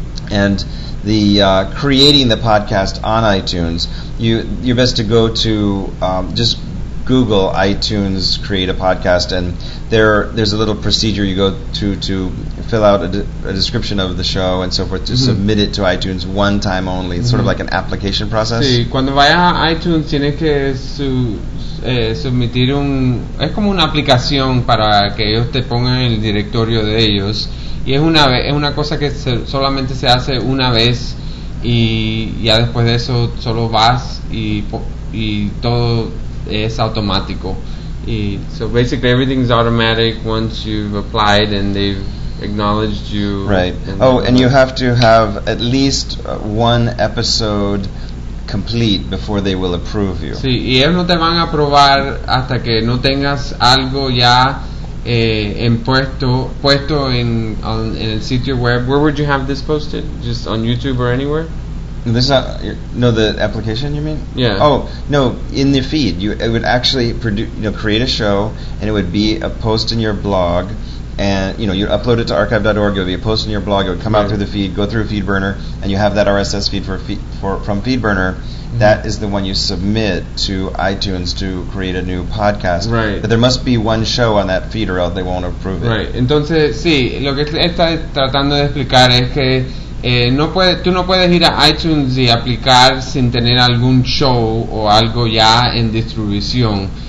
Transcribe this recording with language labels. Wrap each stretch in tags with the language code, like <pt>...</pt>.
<en>And the creating the podcast on iTunes, you're best to go to just Google iTunes create a podcast, and there's a little procedure you go to fill out a description of the show and so forth to submit it to iTunes one time only. It's sort of like an application process.</en> <es>Sí, cuando vayas a iTunes tienes que submitir es como una aplicación para que ellos te pongan en el directorio de ellos, y es una cosa que solamente se hace una vez y ya después de eso solo vas y todo es automático.</es> <en>Y so basically everything's automatic once you've applied and they've acknowledged you. Right. And you have to have at least one episode complete before they will approve you.</en> <es>Sí, y ellos no te van a aprobar hasta que no tengas algo ya en puesto en el sitio web.</es> <en>Where would you have this posted? Just on YouTube or anywhere? This is not, no, the application you mean? Yeah. Oh, no, in the feed. It would actually create a show, and it would be a post in your blog, and, you know, you upload it to archive.org, it would be a post in your blog, it would come out through the feed, go through FeedBurner, and you have that RSS feed from FeedBurner. Mm-hmm. That is the one you submit to iTunes to create a new podcast. Right. But there must be one show on that feed or else they won't approve it. Right.</en> <es>Entonces, sí, lo que está tratando de explicar es que tú no puedes ir a iTunes y aplicar sin tener algún show o algo ya en distribución.</es>